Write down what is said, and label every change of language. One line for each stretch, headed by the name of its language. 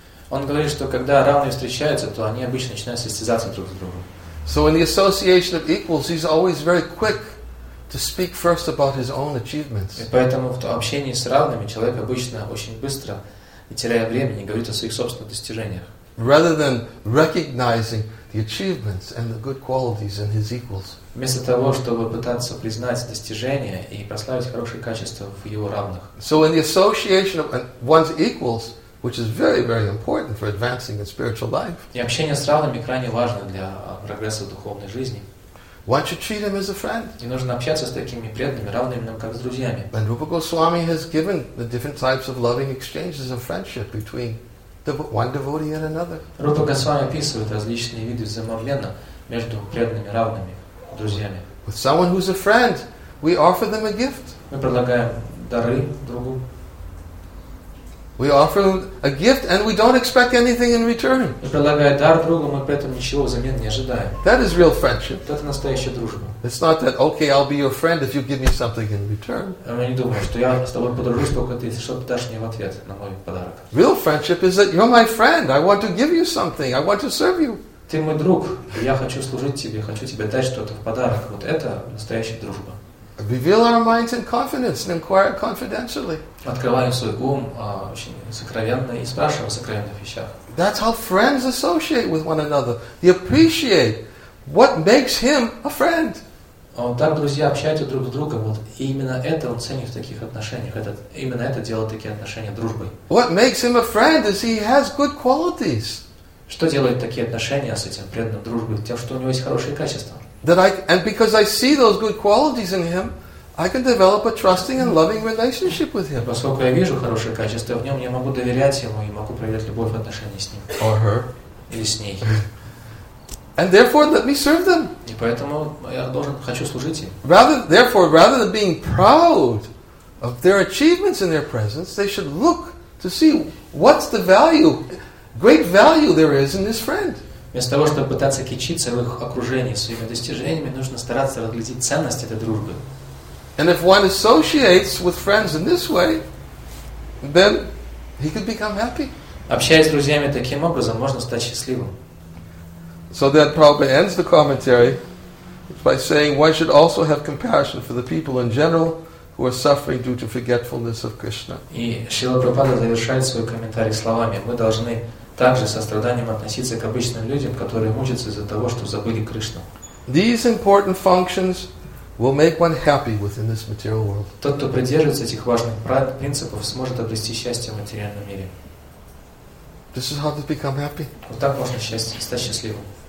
Russian: Он говорит, что когда равные встречаются, то они обычно начинают состязаться друг с другом.
English: So in the association of equals, he's always very quick to speak first about his own achievements.
Russian: И поэтому в общении с равными человек обычно очень быстро, не теряя времени, говорит о своих собственных достижениях.
English: Rather than recognizing the achievements and the good qualities in his equals.
Russian: Вместо того, чтобы пытаться признать достижения и прославить хорошие качества в его равных.
English: So in the association of one's equals, which is very, very important for advancing in spiritual life.
Russian: И общение с равными крайне важно для прогресса в духовной жизни.
English: One should treat him as a friend.
Russian: И нужно общаться с такими преданными, равными нам, как с друзьями.
English: And Rupa Goswami has given the different types of loving exchanges of friendship between one devotee and another.
Russian: Rupa Goswami описывает различные виды взаимообмена между преданными, равными, друзьями.
English: With someone who's a friend, we offer them a gift.
Russian: Мы предлагаем дары другу.
English: We offer them a gift and we don't expect anything in return.
Russian: Мы предлагаем дар другу, мы при этом ничего взамен не ожидаем.
English: That is real friendship.
Russian: Это настоящая дружба.
English: It's not that, okay, I'll be your friend if you give me something in return.
Russian: Мы не думаем, что я с тобой подружусь, только ты что-то дашь мне в ответ на мой подарок.
English: Real friendship is that you're my friend. I want to give you something. I want to serve you.
Russian: Ты мой друг, я хочу служить тебе, хочу тебе дать что-то в подарок. Вот это настоящая дружба.
English: Reveal our minds in confidence and inquire confidentially.
Russian: Открываем свой ум очень сокровенно и спрашиваем о сокровенных вещах.
English: That's how friends associate with one another. They appreciate what makes him a friend.
Russian: Так друзья общаются друг с другом. Вот именно это он ценит в таких отношениях. Именно это делает такие отношения дружбой.
English: What makes him a friend is he has good qualities.
Russian: Что делает такие отношения с этим преданным дружбой? Тем, что у него есть хорошие качества.
English: And because I see those good qualities in him, I can develop a trusting and loving relationship with him.
Russian: Поскольку я вижу хорошие качества в нем, я могу доверять ему и могу проявлять любовь в отношении с ним.
English: Or her.
Russian: Или с ней.
English: And therefore, let me serve them.
Russian: И поэтому я должен, хочу служить им.
English: Rather than being proud of their achievements in their presence, they should look to see what's the value, great value there is in this friend.
Russian: Вместо того, чтобы пытаться кичиться в их окружении своими достижениями, нужно стараться разглядеть ценность этой дружбы.
English: And if one associates with friends in this way, then he could become happy.
Russian: Общаясь с друзьями таким образом, можно стать счастливым.
English: So that Prabhupada ends the commentary by saying one should also have compassion for the people in general who are suffering due to forgetfulness of Krishna.
Russian: И Шрила Прабхупада завершает свой комментарий словами: мы должны также со страданием относиться к обычным людям, которые мучаются из-за того, что забыли Кришну.
English: These important functions will make one happy within this material world.
Russian: Тот, кто придерживается этих важных принципов, сможет обрести счастье в материальном мире.
English: This is how to become happy.
Russian: Вот так можно стать счастливым.